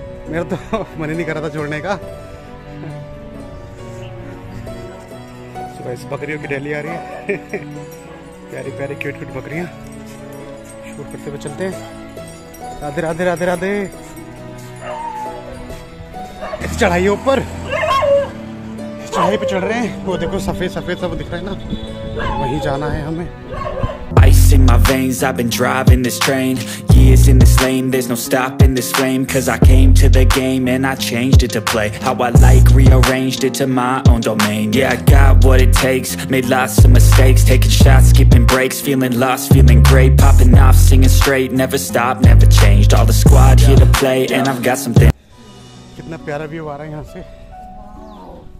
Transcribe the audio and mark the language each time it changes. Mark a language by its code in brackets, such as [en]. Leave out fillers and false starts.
[hi] मेरा तो मन ही नहीं कर रहा था छोड़ने का। सुबह इस बकरियों की डेली आ रही है, प्यारी प्यारी क्यूट क्यूट बकरियां। शूट करते हुए चलते हैं। राधे राधे राधे राधे इस चढ़ाई ऊपर, चढ़ाई पे चढ़ रहे हैं। वो देखो सफेद सफेद सब दिख रहा है ना, वहीं जाना है हमें। [en] Ice in my veins, I've been driving this train. Years in this lane, there's no stopping this flame. Cause I came to the game and I changed it to play. How I like, rearranged it to my own domain. Yeah, I got what it takes, made lots of mistakes. Taking shots, skipping breaks, feeling lost, feeling great. Popping off, singing straight, never stopped, never changed. All the squad here to play and I've got something. [hi] कितना प्यारा view आ रहा है यहाँ से।